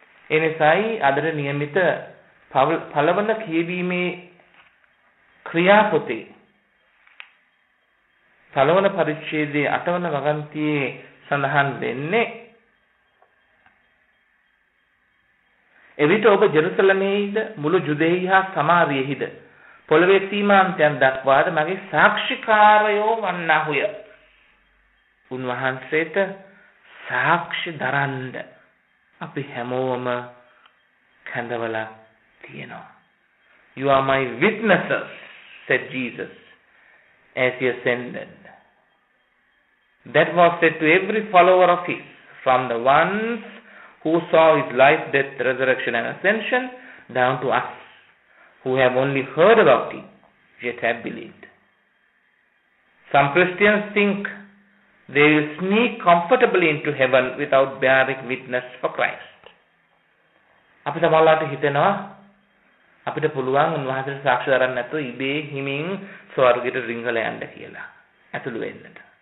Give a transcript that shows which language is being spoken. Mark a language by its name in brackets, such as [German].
[Sinhala] එනිසායි අදට නියමිත පළවන කියවීමේ ක්‍රියාපොතේ පළවන පරිච්ඡේදයේ 8 වගන්තියේ සඳහන් වෙන්නේ, එවිට ඔබ ජෙරුසලමේද මුළු ජුදෙහි හා සමාරියෙහිද පොළවේ සීමාන්තයන් දක්වාද මගේ සාක්ෂිකාරයෝ වන්නාහුය. උන්වහන්සේට සාක්ෂි දරන්න අපි හැමෝම කැඳවලා තියෙනවා. [English] You are my witnesses, said Jesus, as he ascended. That was said to every follower of his, from the ones who saw his life, death, resurrection and ascension, down to us, who have only heard about him, yet have believed. Some Christians think they will sneak comfortably into heaven without bearing witness for Christ. [Sinhala] අපි සමහරවිට හිතනවා අපිට පුළුවන් උන්වහන්සේට සාක්ෂි දරන්න නැතුව ඉබේ හිමින් ස්වර්ගයට රිංගල යන්න කියලා ඇතුළු වෙන්නට.